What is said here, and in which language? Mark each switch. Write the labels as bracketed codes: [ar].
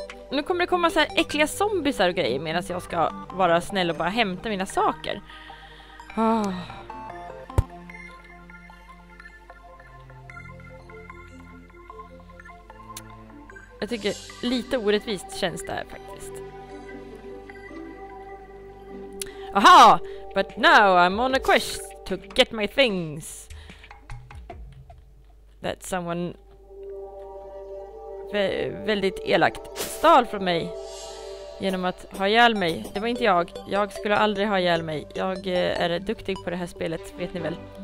[sv] Nu kommer det komma så här äckliga zombisar och grejer medan jag ska vara snäll och bara hämta mina saker. Jag tycker lite orättvist känns det här faktiskt. Aha! [en] But now I'm on a quest to get my things. That someone [sv] väldigt elakt stal från mig. Genom att ha ihjäl mig. Det var inte jag. Jag skulle aldrig ha ihjäl mig. Jag är duktig på det här spelet, vet ni väl.